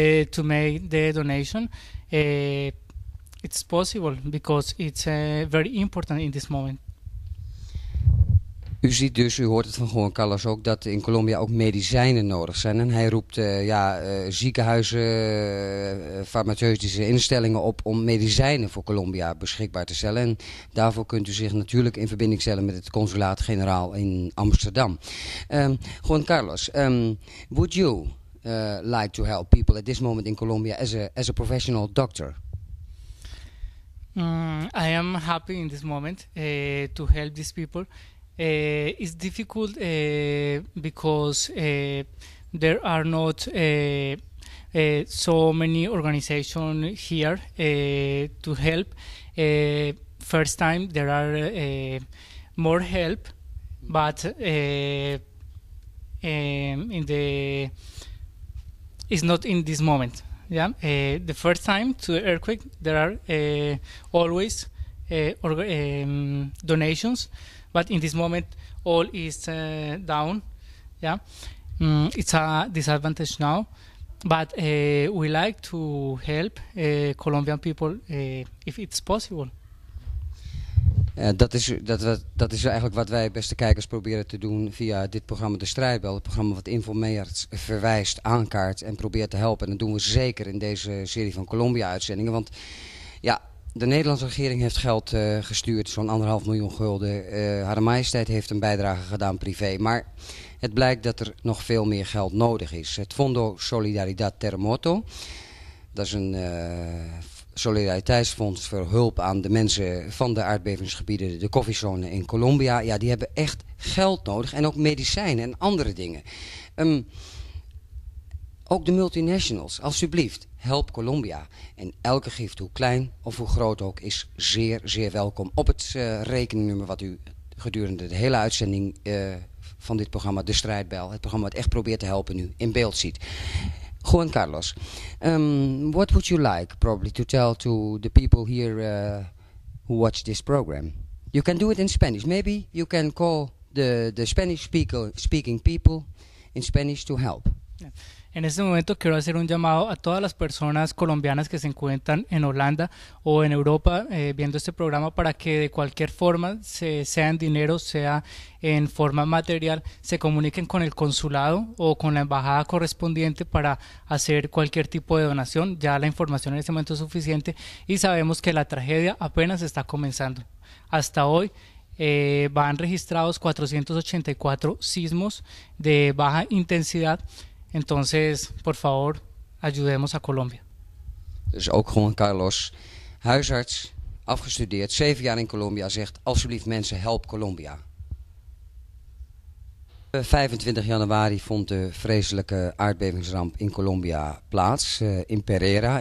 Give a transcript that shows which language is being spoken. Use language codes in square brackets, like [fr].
[en] To make the donation, it's possible because it's very important in this moment. [nl] U ziet dus, u hoort het van Juan Carlos ook, dat in Colombia ook medicijnen nodig zijn. En hij roept ziekenhuizen, farmaceutische instellingen op om medicijnen voor Colombia beschikbaar te stellen. En daarvoor kunt u zich natuurlijk in verbinding stellen met het consulaat-generaal in Amsterdam. [en] Juan Carlos, would you like to help people at this moment in Colombia as a professional doctor? I am happy in this moment to help these people. It's difficult because there are not so many organizations here to help. First time there are more help, but in the it's not in this moment. Yeah, the first time to the earthquake there are always donations, but in this moment all is down. Yeah, it's a disadvantage now, but we like to help Colombian people if it's possible. [nl] Dat is eigenlijk wat wij, beste kijkers, proberen te doen via dit programma De Strijdbel. Het programma wat informeert, verwijst, aankaart en probeert te helpen. En dat doen we zeker in deze serie van Colombia-uitzendingen. Want ja, de Nederlandse regering heeft geld gestuurd, zo'n 1,5 miljoen gulden. Haar Majesteit heeft een bijdrage gedaan privé. Maar het blijkt dat er nog veel meer geld nodig is. Het Fondo Solidaridad Terremoto, dat is een solidariteitsfonds voor hulp aan de mensen van de aardbevingsgebieden, de koffiezone in Colombia. Ja, die hebben echt geld nodig en ook medicijnen en andere dingen. Ook de multinationals, alsjeblieft, help Colombia. En elke gift, hoe klein of hoe groot ook, is zeer, zeer welkom op het rekeningnummer wat u gedurende de hele uitzending van dit programma, De Strijdbel, het programma wat echt probeert te helpen, nu in beeld ziet. [en] Juan Carlos, what would you like probably to tell to the people here who watch this program? You can do it in Spanish. Maybe you can call the Spanish speaking people in Spanish to help. [es] En este momento quiero hacer un llamado a todas las personas colombianas que se encuentran en Holanda o en Europa viendo este programa para que de cualquier forma, sea en dinero, sea en forma material, se comuniquen con el consulado o con la embajada correspondiente para hacer cualquier tipo de donación. Ya la información en este momento es suficiente y sabemos que la tragedia apenas está comenzando. Hasta hoy van registrados 484 sismos de baja intensidad. Entonces, por favor, ayudemos a Colombia. [nl] Dus ook Juan Carlos, huisarts, afgestudeerd, 7 jaar in Colombia, zegt: alsjeblieft mensen, help Colombia. 25 januari vond de vreselijke aardbevingsramp in Colombia plaats, in Pereira.